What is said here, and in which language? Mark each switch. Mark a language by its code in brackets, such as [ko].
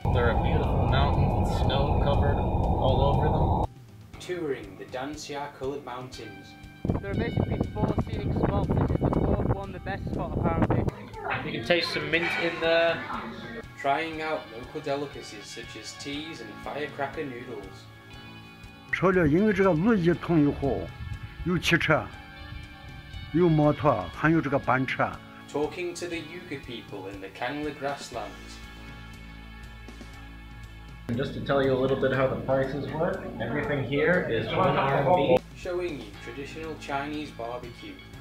[en] There are beautiful mountains with snow covered all over them. Touring the Danxia Coloured Mountains. There are basically four scenic spots. This is the fourth one, the best spot apparently. You can taste some mint in there. Trying out local delicacies such as teas and firecracker noodles. [zh] 除了因为这个路一通以后，有汽车，有摩托，还有这个班车。 [en] Talking to the Yugur people in the Kangle Grasslands. And just to tell you a little bit how the prices work, everything here is 1 RMB. Showing you traditional Chinese barbecue.